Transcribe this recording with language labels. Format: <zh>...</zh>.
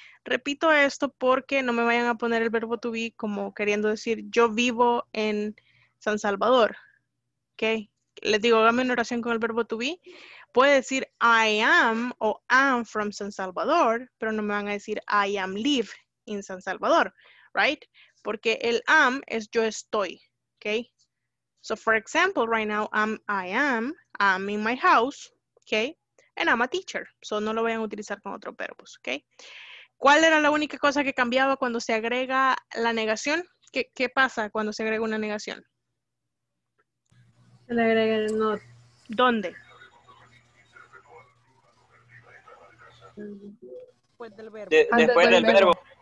<es>Repito esto porque no me vayan a poner el verbo to be como queriendo decir yo vivo en San Salvador, ¿ok? Les digo, háganme una oración con el verbo to be. Puede decir I am o</es> <en>am from San Salvador,</en> <es>pero no me van a decir</es> <en>I am live in San Salvador,</en> <es>¿right? Porque el am es yo estoy, ¿ok?</es> <en>So, for example, right now, I'm in my house, okay? And I'm a teacher.</en> <es>So, no lo vayan a utilizar con otro verbos, okay? ¿Cuál era la única cosa que cambiaba cuando se agrega la negación? ¿Qué pasa cuando se agrega una negación? Se le agrega el not. ¿Dónde? Después del verbo. Después del verbo.</es>